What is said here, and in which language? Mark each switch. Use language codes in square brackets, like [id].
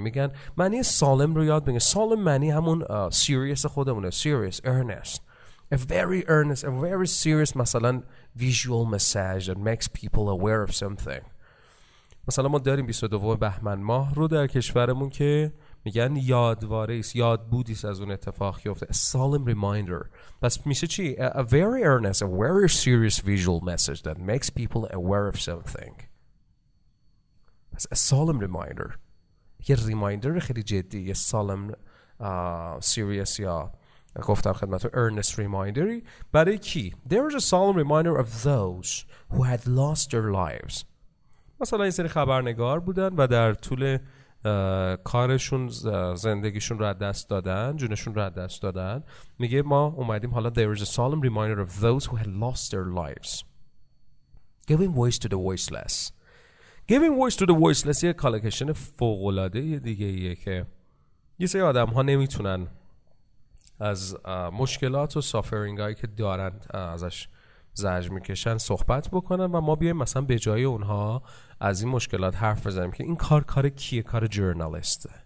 [fa] میگن معنی سالم رو یاد بگیم. سالم معنی همون سیریس خودمونه، سیریس، ارنست. [en] a very earnest, a very serious masalan visual massage that makes people aware of something. [fa] مثلا ما داریم 22 بهمن ماه رو در کشورمون که میگن یادواره است، یادبودی است از اون اتفاق که افتاد. [en] Solemn reminder. [fa] پس میشه چی؟ [en] A very earnest, a very serious visual message that makes people aware of something. A solemn reminder. [fa] یه ریمایندر خیلی جدی، یه سالم سیریس یا گفتم خدمت رو earnest reminder-ی برای کی؟ [en] There is a solemn reminder of those who had lost their lives. [fa] مثلا یه سری خبرنگار بودن و در طول کارشون زندگیشون رو از دست دادن، جونشون رو از دست دادن. میگه ما اومدیم حالا [en] There is a solemn reminder of those who had lost their lives. Giving voice to the voiceless. Giving voice to the voiceless [fa] یه کالکشن فوق‌العاده دیگه ایه که یه سری آدم ها نمیتونن از مشکلات و سافرینگ هایی که دارن ازش زجر میکشن صحبت بکنن و ما بیایم مثلا به جای اونها از این مشکلات حرف بزنیم که این کار کار کیه؟ کار جورنالیست.